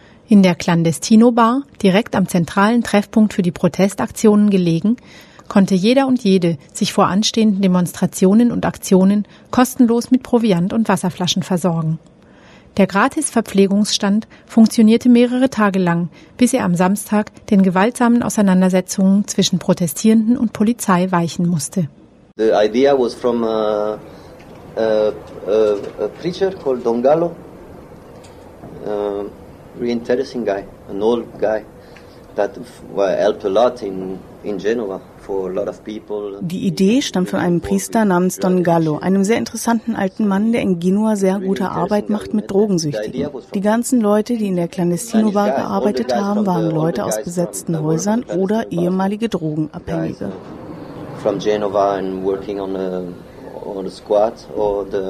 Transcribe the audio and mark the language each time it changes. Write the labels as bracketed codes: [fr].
[de] In der Clandestino-Bar, direkt am zentralen Treffpunkt für die Protestaktionen gelegen, konnte jeder und jede sich vor anstehenden Demonstrationen und Aktionen kostenlos mit Proviant und Wasserflaschen versorgen. Der Gratis-Verpflegungsstand funktionierte mehrere Tage lang, bis er am Samstag den gewaltsamen Auseinandersetzungen zwischen Protestierenden und Polizei weichen musste. [en] The idea was from a preacher called Don Gallo. Really interesting guy, an old guy that helped a lot in Genova for a lot of people. [de] Die Idee stammt von einem Priester namens Don Gallo, einem sehr interessanten alten Mann, der in Genua sehr gute Arbeit macht mit Drogensüchtigen. Die ganzen Leute, die in der Clandestino Bar gearbeitet haben, waren Leute aus besetzten Häusern oder ehemalige Drogenabhängige. [en] From Genova and working on a squad or